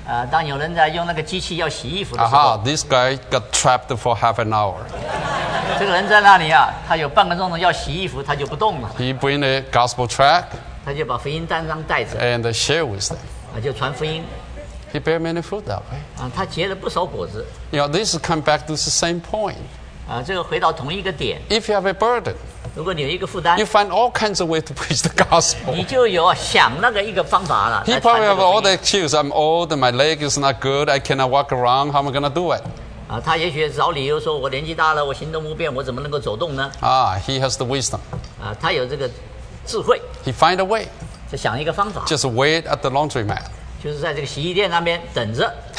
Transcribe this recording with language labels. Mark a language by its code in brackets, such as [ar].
[zh] 当有人在用那个机器要洗衣服的时候 [en] this guy got trapped for half an hour. [zh] 这个人在那里他有半个钟头要洗衣服，他就不动了。 [en] He bring a gospel track, [zh] 他就把福音单张带着 [en] and share with them. [zh] 就传福音。 [en] He bear many fruit that way. [zh] 啊，他结了不少果子。 [en] You know, this come back to the same point. [zh] 啊，这个回到同一个点。 [en] If you have a burden, [zh] 如果你有一个负担 [en] ，you find all kinds of way to preach the gospel. [zh] 你就有想那个一个方法了。 [en] He probably have all the excuse. I'm old, my leg is not good, I cannot walk around. How am I gonna do it? [zh] 啊，他也许找理由说，我年纪大了，我行动不便，我怎么能够走动呢？ [en] 啊 ，He has the wisdom. [zh] 啊，他有这个智慧。 [en] He find a way. [zh] 就想一个方法。 [en] Just wait at the laundry mat. [zh] 就是在这个洗衣店那边等着。